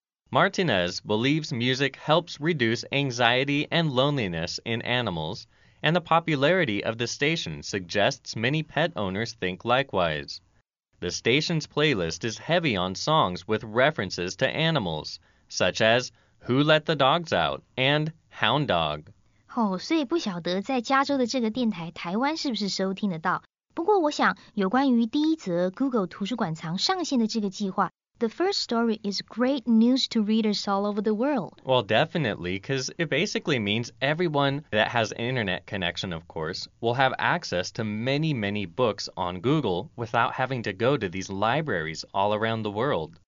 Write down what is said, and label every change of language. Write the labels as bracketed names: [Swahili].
[English] Martinez believes music helps reduce anxiety and loneliness in animals,and the popularity of the station suggests many pet owners think likewise. The station's playlist is heavy on songs with references to animals, such as Who Let the Dogs Out? And Hound Dog. [Chinese] 所以不晓得在加州的这个电台台湾是不是收听得到。不过我想有关于第一则 Google 图书馆藏上线的这个计划， [English] The first story is great news to readers all over the world. Well, definitely, because it basically means everyone that has internet connection, of course, will have access to many, many books on Google without having to go to these libraries all around the world.